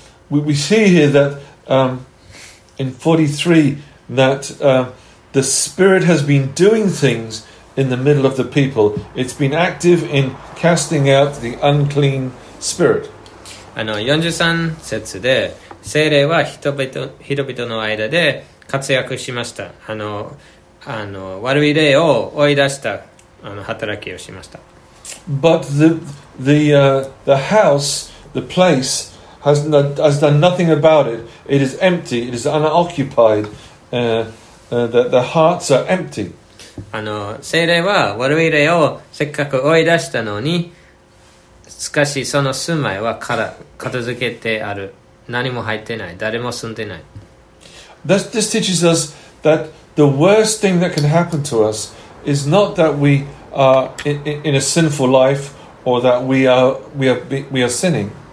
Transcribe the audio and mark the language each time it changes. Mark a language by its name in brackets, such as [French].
[English] We see here that in 43 that the Spirit has been doing things in the middle of the people. It's been active in casting out the unclean spirit. [Japanese] 43節で聖霊は人々の間で活躍しました。悪い霊を追い出した働きをしました。 [English] But the house, the placehas done nothing about it. It is empty. It is unoccupied. The hearts are empty. [Japanese] 聖霊は悪い霊をせっかく追い出したのに、しかしその住まいは片付けてある。何も入ってない。誰も住んでない。 [English] This teaches us that the worst thing that can happen to us is not that we are in a sinful life or that we are sinning.